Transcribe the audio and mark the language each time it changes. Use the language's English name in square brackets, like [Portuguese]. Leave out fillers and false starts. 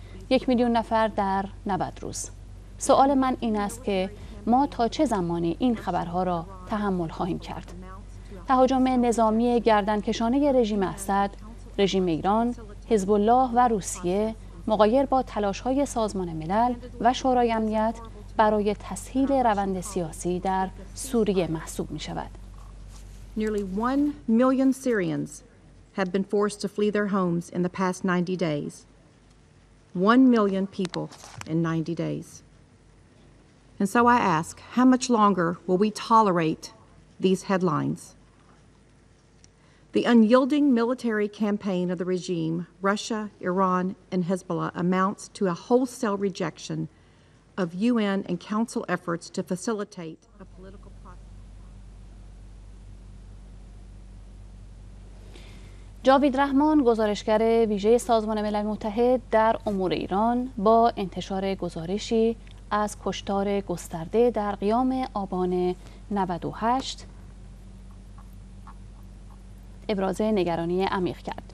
[Persian] 1,000,000 نفر در 90 روز. سوال من این است که ما تا چه زمانی این خبرها را تحمل خواهیم کرد؟ تهاجم نظامی گردنکشانه رژیم اسد، رژیم ایران، حزب الله و روسیه مغایر با تلاش های سازمان ملل و شورای امنیت برای تسهیل روند سیاسی در سوریه محسوب می شود. [English] Nearly 1,000,000 Syrians have been forced to flee their homes in the past 90 days. 1,000,000 people in 90 days. And so I ask, how much longer will we tolerate these headlines? The unyielding military campaign of the regime, Russia, Iran, and Hezbollah amounts to a wholesale rejection of UN and Council efforts to facilitate a political process. [Persian] جاوید رحمان، گزارشگر ویژه سازمان ملل متحد در امور ایران، با انتشار گزارشی از کشتار گسترده در قیام آبان 98 ابراز نگرانی عمیق کرد.